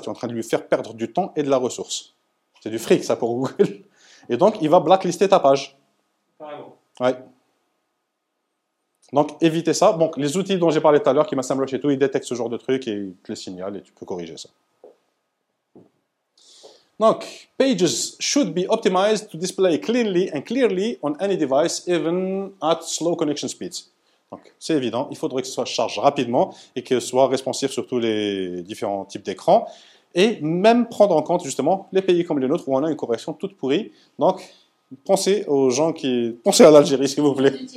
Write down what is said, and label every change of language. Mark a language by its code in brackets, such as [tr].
[fr] Tu es en train de lui faire perdre du temps et de la ressource. C'est du fric, ça, pour Google. Et donc, il va blacklister ta page. Ouais. Donc, évitez ça. Donc, les outils dont j'ai parlé tout à l'heure, qui m'assemblent et tout, ils détectent ce genre de trucs et ils te les signalent et tu peux corriger ça. Donc, [en] pages should be optimized to display cleanly and clearly on any device, even at slow connection speeds. [fr] Donc, c'est évident. Il faudrait que ce soit chargé rapidement et que ce soit responsive sur tous les différents types d'écrans. Et même prendre en compte, justement, les pays comme les nôtres où on a une correction toute pourrie. Donc, pensez aux gens qui... Pensez à l'Algérie, s'il vous plaît.